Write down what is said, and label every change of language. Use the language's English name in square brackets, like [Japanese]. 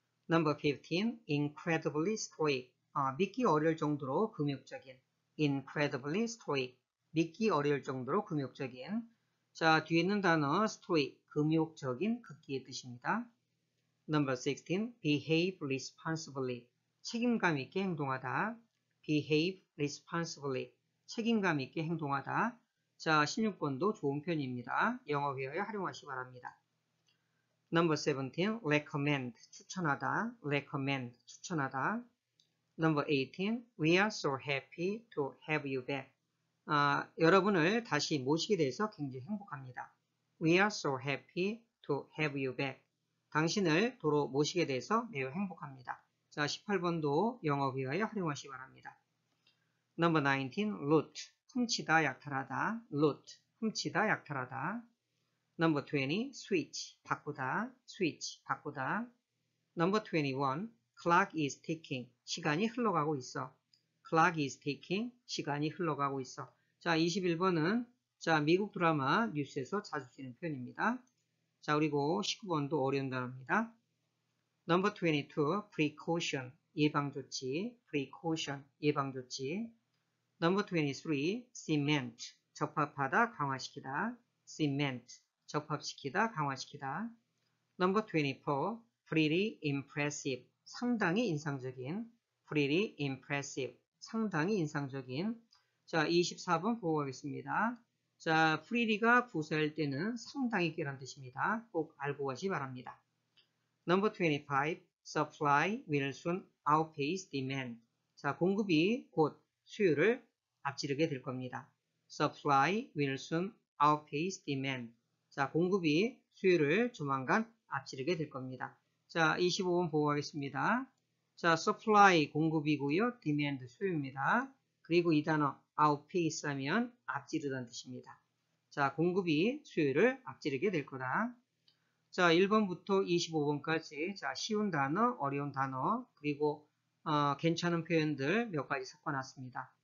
[English] Number 15, incredibly stoic. [Korean] 아, 믿기 어려울 정도로 금욕적인. [English] Incredibly stoic. [Korean] 믿기 어려울 정도로 금욕적인. 자, 뒤에 있는 단어 stoic, 금욕적인 극기의 뜻입니다. [English] Number 16, behave responsibly. [Korean] 책임감 있게 행동하다. [English] Behave responsibly. [Korean] 책임감 있게 행동하다. 자, 16번도 좋은 표현입니다. 영어 회화에 활용하시기 바랍니다. [English] Number 17, recommend, 추천하다, recommend, 추천하다. Number 18, we are so happy to have you back. [Korean] 아, 여러분을 다시 모시게 돼서 굉장히 행복합니다. [English] We are so happy to have you back. [Korean] 당신을 도로 모시게 돼서 매우 행복합니다. 자, 18번도 영어 회화에 활용하시기 바랍니다. [English] Number 19, root, 훔치다, 약탈하다, root, 훔치다, 약탈하다. Number 20, switch, 바꾸다, switch, 바꾸다. Number 21, clock is ticking, [Korean] 시간이 흘러가고 있어. [English] Clock is ticking, [Korean] 시간이 흘러가고 있어. 자, 21번은 자 미국 드라마 뉴스에서 자주 쓰는 표현입니다. 자, 그리고 19번도 어려운 단어입니다. [English] Number 22, precaution, 예방조치, precaution, 예방조치. Number 23, cement, 접합하다, 강화시키다, cement. [Korean] 접합시키다, 강화시키다. [English] Number 24, pretty impressive, 상당히 인상적인. [Korean] Pretty impressive, 상당히 인상적인. 자, 24번 보고 가겠습니다. 자, pretty가 부사일 때는 상당히 꽤란 뜻입니다. 꼭 알고 가시기 바랍니다. [English] Number 25, supply will soon outpace demand. [Korean] 자, 공급이 곧 수요를 앞지르게 될 겁니다. [English] Supply will soon outpace demand. [Korean] 자, 공급이 수요를 조만간 앞지르게 될 겁니다. 자, 25번 보고 가겠습니다. 자, supply 공급이고요. demand 수요입니다. 그리고 이 단어 outpace 하면 앞지르다는 뜻입니다. 자, 공급이 수요를 앞지르게 될 거다. 자, 1번부터 25번까지 자, 쉬운 단어, 어려운 단어, 그리고 괜찮은 표현들 몇 가지 섞어놨습니다.